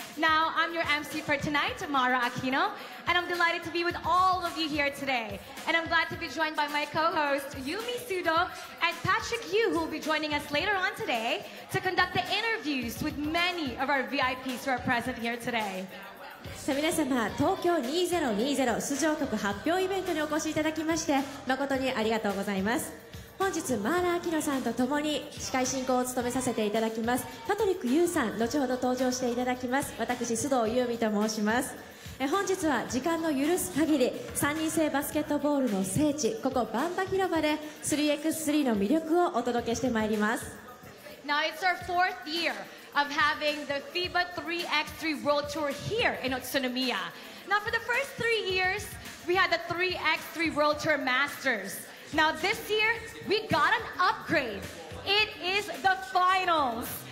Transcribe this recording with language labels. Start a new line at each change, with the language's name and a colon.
English: Now, I'm your MC for tonight, Mara Aquino, and I'm delighted to be with all of you here today. And I'm glad to be joined by my co-host, Yumi Sudo, and Patrick Yu, who will be joining us later on today to conduct the interviews with many of our VIPs who are present here today.
Japanese: さあ皆様、東京2020出場国発表イベントにお越しいただきまして誠にありがとうございます。本日マーラ・アキノさんと共に司会進行を務めさせていただきますパトリック・ユーさん、後ほど登場していただきます。私、須藤優美と申します。本日は時間の許す限り3人制バスケットボールの聖地、ここバンバ広場で 3x3 の魅力をお届けしてまいります。
English: Now it's our fourth yearof having the FIBA 3x3 World Tour here in Utsunomiya. Now for the first 3 years, we had the 3x3 World Tour Masters. Now this year, we got an upgrade. It is the finals.